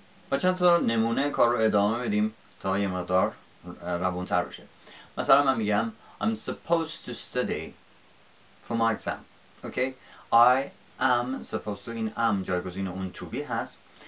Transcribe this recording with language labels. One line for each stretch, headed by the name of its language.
Persian: و چند تا نمونه کار رو ادامه بدیم تا یه مقدار روان‌تر بشه. مثلا من میگم
English: I'm supposed to study for my exam. Okay? I am supposed to.
Persian: این am جایگزین اون to be هست.